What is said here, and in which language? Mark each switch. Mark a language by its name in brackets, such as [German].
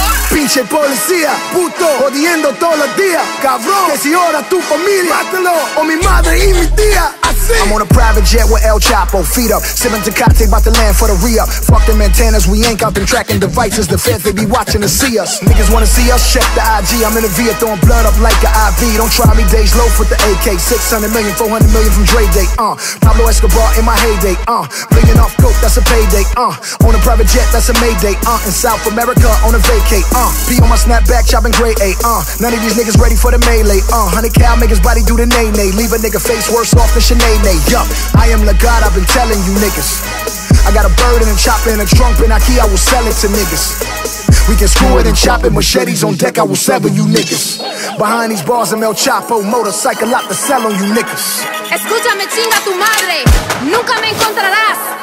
[Spanish] Pinche policía, puto, jodiendo todos los días. Cabrón, que si ahora tu familia, mátalo, o mi madre y mi tía. [English] I'm on a private jet with El Chapo, feet up. Sipping Tecate, about to land for the re-up. Fuck them antennas, we ain't got them tracking devices. The feds, they be watching to see us. Niggas wanna see us, check the IG. I'm in a VIA throwing blood up like an IV. Don't try me, Dej Loaf with the AK. 600 million, 400 million from Dre Day, Pablo Escobar in my heyday, Million off coke, that's a payday, On a private jet, that's a mayday, In South America, on a vacay, Pee on my snapback, chopping gray, None of these niggas ready for the melee, 100 cal, make his body do the nay-nay. Leave a nigga face worse off than Chanel. Yup, I am the God, I've been telling you niggas. I got a bird and a chopper and a trunk and a key, I will sell it to niggas. We can screw it and chop it, machetes on deck, I will sever you niggas. Behind these bars, I'm El Chapo, motorcycle out to sell on you niggas. [Spanish] Escúchame, chinga tu madre, nunca me encontrarás.